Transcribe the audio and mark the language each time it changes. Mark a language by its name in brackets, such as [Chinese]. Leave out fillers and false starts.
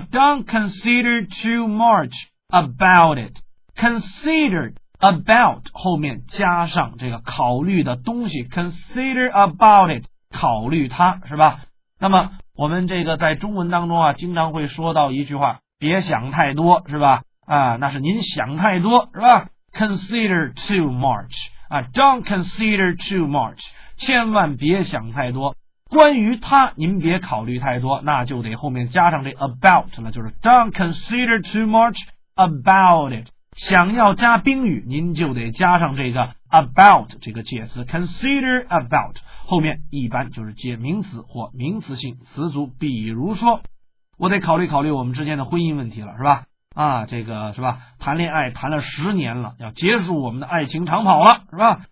[English] ”Don't consider too much about it。 [Chinese] Consider about 后面加上这个考虑的东西 ， [English] consider about it， [Chinese] 考虑它，是吧？那么我们这个在中文当中啊，经常会说到一句话，别想太多，是吧？啊，那是您想太多，是吧？ [English] Consider too much [Chinese] 啊， [English] Don't consider too much， [Chinese] 千万别想太多，关于它您别考虑太多，那就得后面加上这 about 了，就是 [English] Don't consider too much about it。 [Chinese] 想要加宾语，您就得加上这个 about 这个介词 consider about， 后面一般就是接名词或名词性词组，比如说我得考虑考虑我们之间的婚姻问题了，是吧？啊，这个是吧，谈恋爱谈了十年了，要结束我们的爱情长跑了，是吧？